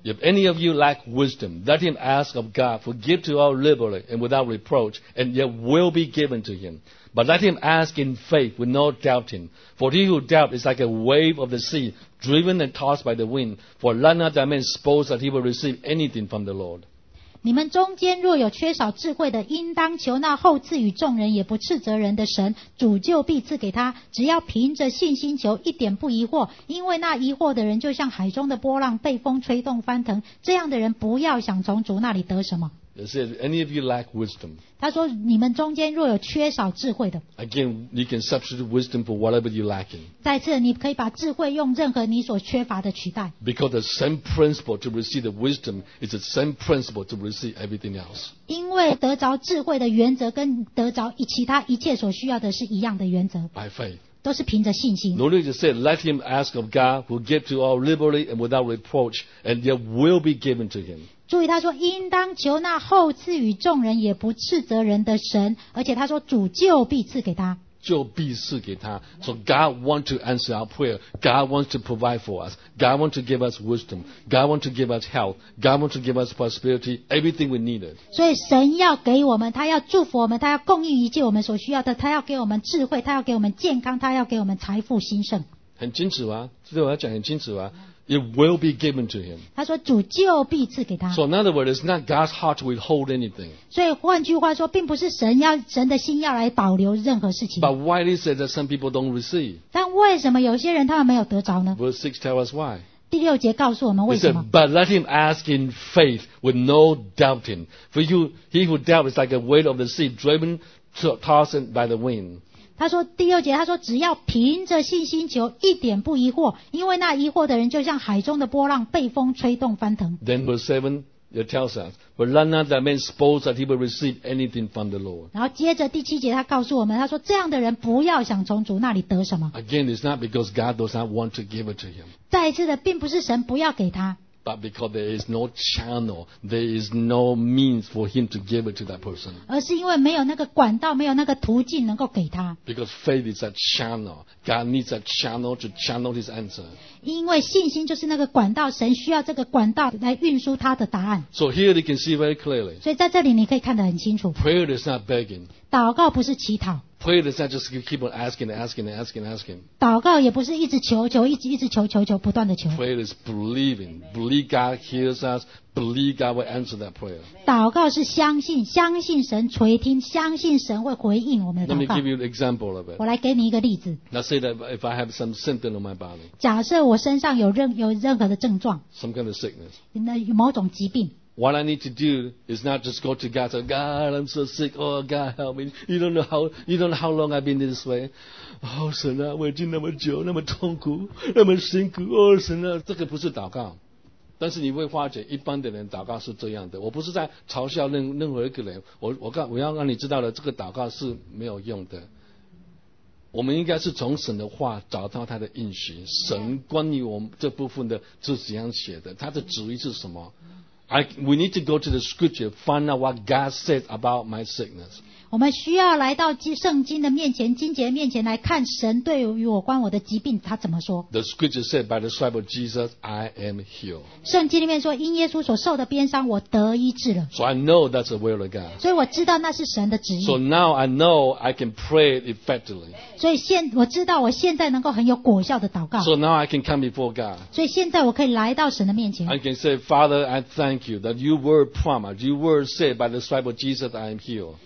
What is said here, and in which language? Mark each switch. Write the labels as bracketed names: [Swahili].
[English] If any of you lack wisdom, let him ask of God, for give to all liberally and without reproach, and yet will be given to him. But let him ask in faith with no doubting. For he who doubts is like a wave of the sea, driven and tossed by the wind. For let not that man suppose that he will receive anything from the Lord. [Chinese] 你们中间若有缺少智慧的，应当求那后赐予众人也不斥责人的神，主就必赐给他。只要凭着信心求，一点不疑惑，因为那疑惑的人就像海中的波浪，被风吹动翻腾。这样的人不要想从主那里得什么。 [English] It says, any of you lack wisdom? [Chinese] 他说，你们中间若有缺少智慧的。 [English] Again, you can substitute wisdom for whatever you lack in. [Chinese] 再次，你可以把智慧用任何你所缺乏的取代。 [English] Because the same principle to receive the wisdom is the same principle to receive everything else. [Chinese] 因为得着智慧的原则跟得着其他一切所需要的是一样的原则。 [English] By faith. [Chinese] 都是凭着信心。 [English] No, he just said, let him ask of God, who gives to all liberally and without reproach, and yet will be given to him. [Chinese] 注意，他说应当求那后赐予众人也不斥责人的神，而且他说主就必赐给他。就必赐给他。 [English] So God wants to answer our prayer. God wants to provide for us. God wants to give us wisdom. God wants to give us health. God wants to give us prosperity. Everything we needed. [Chinese] 所以神要给我们，他要祝福我们，他要供应一切我们所需要的，他要给我们智慧，他要给我们健康，他要给我们财富兴盛。很清楚啊，这对我要讲很清楚啊。 [English] It will be given to him. [Chinese] 他说主就必赐给他。 [English] So in other words, it's not God's heart to withhold anything. [Chinese] 所以换句话说，并不是神要神的心要来保留任何事情。 [English] But why is it that some people don't receive? [Chinese] 但为什么有些人他们没有得着呢？ [English] Verse 6 tells us why. [Chinese] 第六节告诉我们为什么。 [English] He said, but let him ask in faith with no doubting. For you, he who doubts is like a wave of the sea driven tossed by the wind. [Chinese] 他说第六节他说只要凭着信心求一点不疑惑因为那疑惑的人就像海中的波浪被风吹动翻腾。 [English] Then verse 7, it tells us, but let not that man suppose that he will receive anything from the Lord. [Chinese] 然后接着第七节他告诉我们他说这样的人不要想从主那里得什么。 [English] Again, it's not because God does not want to give it to him. [Chinese] 再一次的并不是神不要给他 [English] but because there is no channel there is no means for him to give it to that person [Chinese] 而是因为没有那个管道没有那个途径能够给他 [English] because faith is a channel God needs a channel to channel his answer [Chinese] 因为信心就是那个管道神需要这个管道来运输他的答案 [English] so here you can see very clearly [Chinese] 所以在这里你可以看得很清楚 [English] prayer is not begging [Chinese] 祷告不是乞讨 [English] Prayer is not just keep on asking. [Chinese] 祷告也不是一直求求，一直求，不断的求。 [English] Prayer is believing. Believe God hears us. Believe God will answer that prayer. [Chinese] 祷告是相信，相信神垂听，相信神会回应我们的祷告。 [English] Let me give you an example of it. [Chinese] 我来给你一个例子。 [English] Let's say that if I have some symptom on my body. [Chinese] 假设我身上有任何的症状。 [English] Some kind of sickness. [Chinese] 那有某种疾病。 [English] What I need to do is not just go to God and say, God, I'm so sick. Oh, God, help me. You don't know how long I've been this way. [Chinese] Oh, 神啊，我已经那么久，那么痛苦，那么辛苦。 Oh, 神啊，这个不是祷告。但是你会发觉，一般的人祷告是这样的。我不是在嘲笑任何一个人。我要让你知道的，这个祷告是没有用的。我们应该是从神的话找到他的应许。神关于我们这部分的是怎样写的？他的旨意是什么？ [English] We need to go to the scripture, find out what God said about my sickness. [Chinese] 我们需要来到圣经的面前，经节面前来看神对于我关我的疾病他怎么说。 [English] The scripture said, by the stripes of Jesus, I am healed. [Chinese] 圣经里面说，因耶稣所受的鞭伤，我得医治了。 [English] So I know that's the will of God. [Chinese] 所以我知道那是神的旨意。 [English] So now I know I can pray effectively. [Chinese] 所以我知道我现在能够很有果效的祷告。 [English] So now I can come before God. [Chinese] 所以现在我可以来到神的面前。 [English] I can say, Father, I thank you that your word promised, your word said, by the stripes of Jesus, I am healed.